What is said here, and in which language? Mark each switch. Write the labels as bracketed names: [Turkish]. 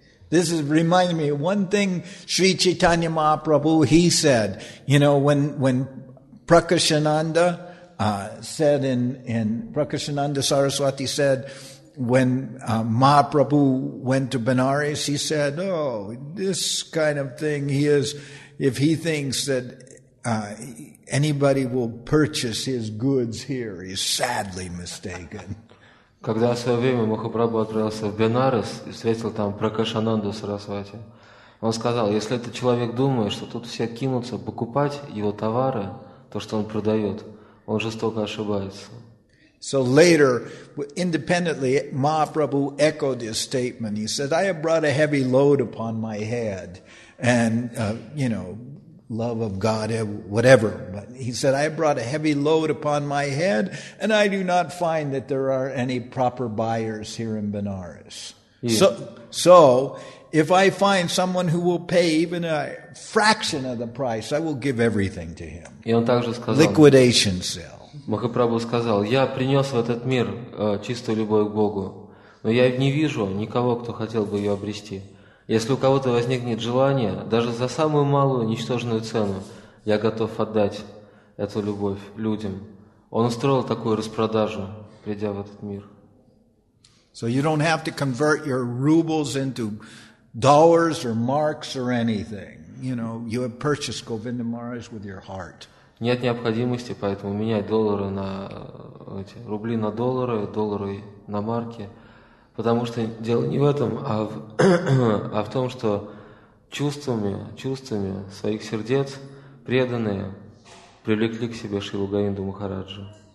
[English] This is reminding me one thing Sri Chaitanya Mahaprabhu, he said, you know, when Prakashananda said in Prakashananda Saraswati said, when Mahaprabhu went to Benares, he said, oh, this kind of thing, he is, if he thinks that anybody will purchase his goods here, he's sadly mistaken. [Russian] Когда в свое время Махапрабху отправился в Бенарес и встретил там Пракашананду Сарасвати, он сказал, если этот человек думает, что тут все кинутся покупать его товары, то, что он продает, он жестоко ошибается. [English] So later, independently, Mahaprabhu echoed his statement. He said, I have brought a heavy load upon my head and, you know, love of God, whatever. But he said, I brought a heavy load upon my head, and I do not find that there are any proper buyers here in Benares. Yes. So if I find someone who will pay even a fraction of the price, I will give everything to him. [Russian] И он также сказал, [English] liquidation sale. [Russian] Махапрабху сказал, я принес в этот мир чистую любовь к Богу, но я не вижу никого, кто хотел бы ее обрести. Если у кого-то возникнет желание, даже за самую малую ничтожную цену, я готов отдать эту любовь людям. Он устроил такую распродажу, придя в этот мир. [English] So you don't have to convert your rubles into dollars or marks or anything. You know, you have purchased Govinda Maharaj with your heart. [Russian] Нет необходимости поэтому менять доллары на эти, рубли на доллары, доллары на марки. Потому что дело не в этом, а в, а в том, что чувствами, чувствами своих сердец преданные привлекли к себе Шрилу Говинду Махараджу.